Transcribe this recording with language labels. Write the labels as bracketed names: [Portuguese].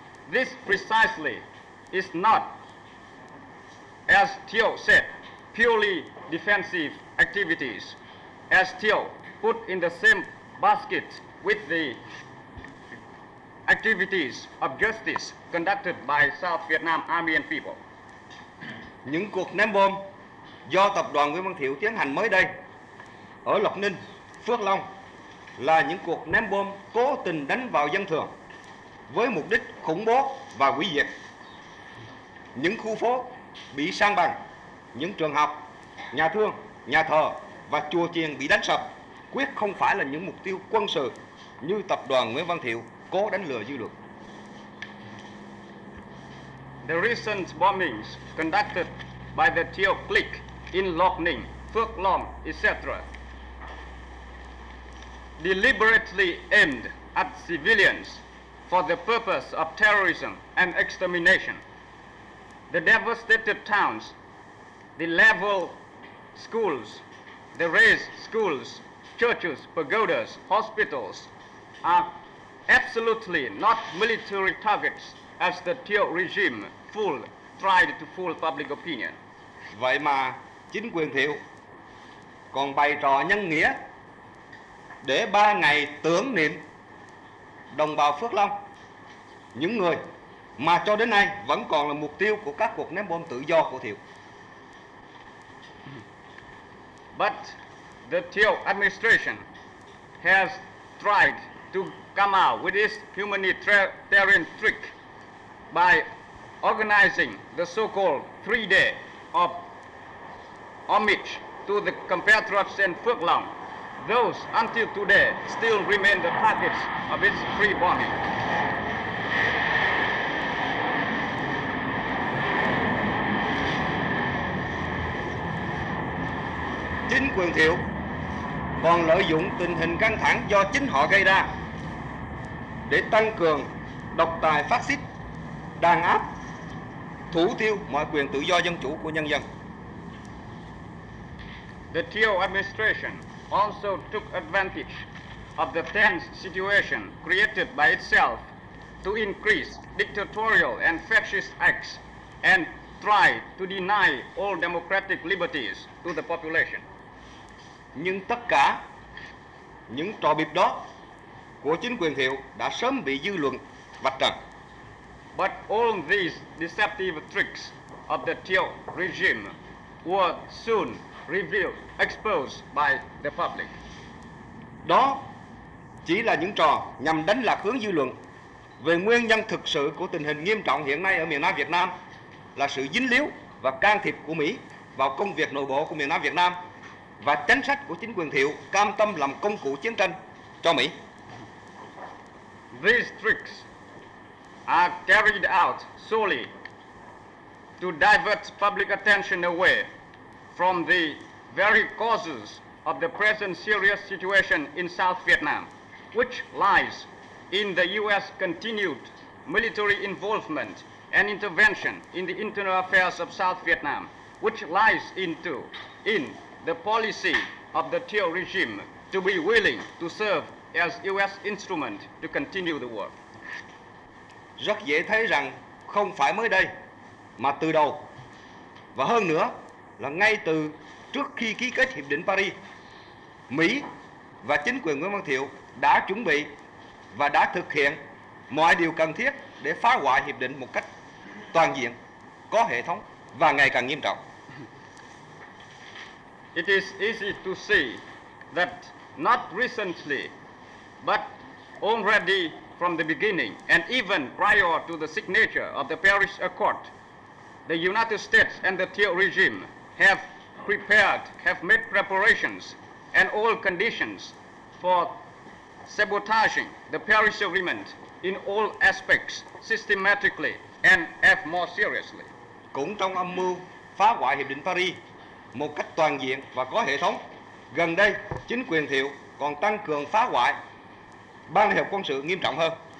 [English] This precisely is not, as Thieu said, purely defensive activities, as Thieu put in the same basket with the activities of justice conducted by South Vietnam Army and people. [Vietnamese] Những cuộc ném bom do tập đoàn Nguyễn Văn Thiệu tiến hành mới đây ở Lộc Ninh, Phước Long là những cuộc ném bom cố tình đánh vào dân thường với mục đích khủng bố và hủy diệt. Những khu phố bị san bằng, những trường học, nhà thương, nhà thờ và chùa chiền bị đánh sập quyết không phải là những mục tiêu quân sự như tập đoàn Nguyễn Văn Thiệu cố đánh lừa dư luận. [English] The recent bombings conducted by the Thieu clique in Loc Ninh, Phước Long, etc. deliberately aimed at civilians for the purpose of terrorism and extermination. The devastated towns, the leveled schools, the razed schools, churches, pagodas, hospitals are absolutely not military targets as the Thieu regime tried to fool public opinion. [Vietnamese] Vậy mà chính quyền Thiệu còn bày trò nhân nghĩa để ba ngày tưởng niệm đồng bào Phước Long, những người mà cho đến nay vẫn còn là mục tiêu của các cuộc ném bom tự do của Thiệu. [English] But the Thieu administration has tried to come out with this humanitarian trick by organizing the so-called 3-day of homage to the compatriots in Phước Long. Those until today still remain the targets of its free bombing. [Vietnamese] Chính quyền Thiệu còn lợi dụng tình hình căng thẳng do chính họ gây ra để tăng cường độc tài phát xít, đàn áp, thủ tiêu mọi quyền tự do dân chủ của nhân dân. [English] The Thieu administration also took advantage of the tense situation created by itself to increase dictatorial and fascist acts and try to deny all democratic liberties to the population. [Vietnamese] Nhưng tất cả những trò bịp đó của chính quyền Thiệu đã sớm bị dư luận vạch trần. [English] But all these deceptive tricks of the Thieu regime were soon revealed, exposed by the public. [Vietnamese] Đó chỉ là những trò nhằm đánh lạc hướng dư luận về nguyên nhân thực sự của tình hình nghiêm trọng hiện nay ở miền Nam Việt Nam là sự dính líu và can thiệp của Mỹ vào công việc nội bộ của miền Nam Việt Nam và chính sách của chính quyền Thiệu cam tâm làm công cụ chiến tranh cho Mỹ. [English] These tricks are carried out solely to divert public attention away from the very causes of the present serious situation in South Vietnam, which lies in the U.S. continued military involvement and intervention in the internal affairs of South Vietnam, which lies in the policy of the Thieu regime to be willing to serve as U.S. instrument to continue the war. [Vietnamese] Rất dễ thấy rằng không phải mới đây mà từ đầu và hơn nữa là ngay từ trước khi ký kết Hiệp định Paris, Mỹ và chính quyền Nguyễn Văn Thiệu đã chuẩn bị và đã thực hiện mọi điều cần thiết để phá hoại Hiệp định một cách toàn diện, có hệ thống và ngày càng nghiêm trọng. [English] It is easy to see that not recently, but already from the beginning, and even prior to the signature of the Paris Accord, the United States and the Thieu regime have prepared, have made preparations and all conditions for sabotaging the Paris Agreement in all aspects systematically and if more seriously. [Vietnamese] Cũng trong âm mưu phá hoại Hiệp định Paris một cách toàn diện và có hệ thống, gần đây chính quyền Thiệu còn tăng cường phá hoại Ban Liên Hiệp Quân sự nghiêm trọng hơn.